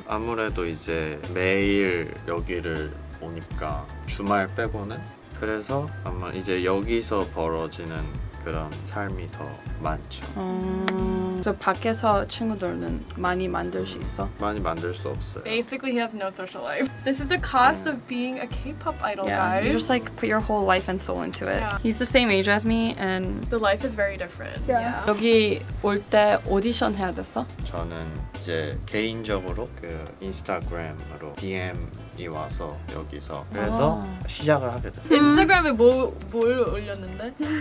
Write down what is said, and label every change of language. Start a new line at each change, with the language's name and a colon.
Korean: 아무래도 이제 매일 여기를 오니까 주말 빼고는 그래서 아마 이제 여기서 벌어지는 그런 삶이 더 많죠. 그래서 밖에서 친구들은 많이 만들 수 있어? 많이 만들 수 없어요.
English: Basically, he has no social life. This is the cost of being a K-pop idol, yeah, guys. Yeah, you just like put your whole life and soul into it. Yeah. He's the same age as me, and the life is very different. Yeah.
Korean: 여기 올 때 오디션 해야 됐어? 저는 이제 개인적으로 그 인스타그램으로 DM 이 와서 여기서 그래서 오. 시작을 하게 됐어요. 인스타그램에 뭘 올렸는데?